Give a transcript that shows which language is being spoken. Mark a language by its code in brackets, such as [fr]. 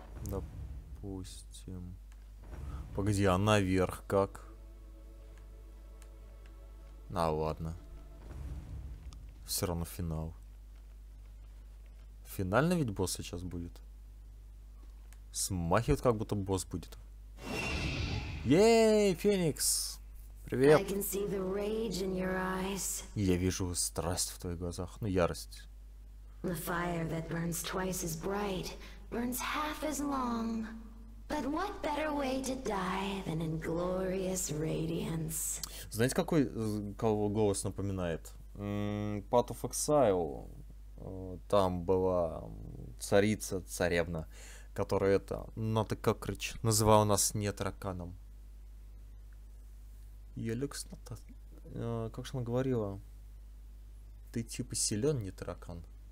[ru] Допустим. Погоди, а наверх как? А, ладно. Все равно финал. Финальный ведь босс сейчас будет. Смахивает, как будто босс будет. Ей, Феникс! Привет! [en] I can see the rage in your eyes. [ru] Я вижу страсть в твоих глазах, ну ярость. [en] The fire that burns twice as bright, burns half as long. But what better way to die than in glorious radiance? [ru] Знаете, какой, кого голос напоминает? [en] Path of Exile. [ru] Там была царица, царевна, которая это, Ната Кокрич, называла нас не тараканом. Елюкс Ната. Как же она говорила? Ты типа силен, не таракан.